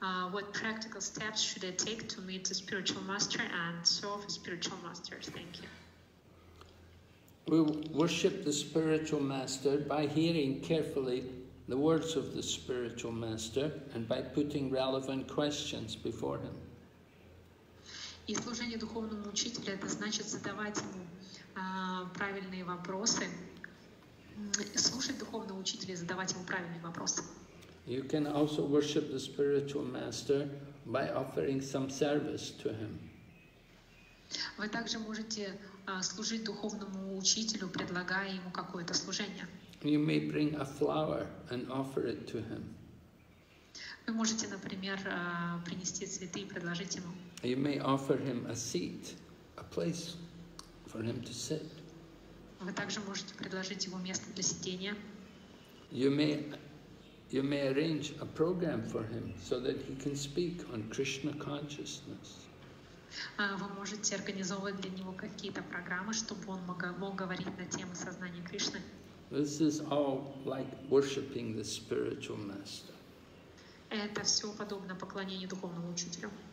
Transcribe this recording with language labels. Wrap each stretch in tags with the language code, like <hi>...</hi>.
<en>What practical steps should I take to meet a spiritual master and serve a spiritual master? Thank you. We worship the spiritual master by hearing carefully the words of the spiritual master and by putting relevant questions before him.</en> <ru>И служение духовному учителю это значит задавать ему правильные вопросы. Слушать духовного учителя, задавать ему правильные вопросы.</ru> <en>You can also worship the spiritual master by offering some service to him.</en> <ru>Вы также можете служить духовному учителю, предлагая ему какое-то служение.</ru> <en>You may bring a flower and offer it to him.</en> <ru>Вы можете, например, принести цветы и предложить ему.</ru> <en>You may offer him a seat, a place for him to sit.</en> <ru>Вы также можете предложить ему место для сидения.</ru> <en>You may arrange a program for him so that he can speak on Krishna consciousness.</en> <ru>Вы можете организовывать для него какие-то программы, чтобы он мог говорить на тему сознания Кришны.</ru> <en>This is all like worshiping the spiritual master.</en> <ru>Это все подобно поклонению духовному учителю.</ru>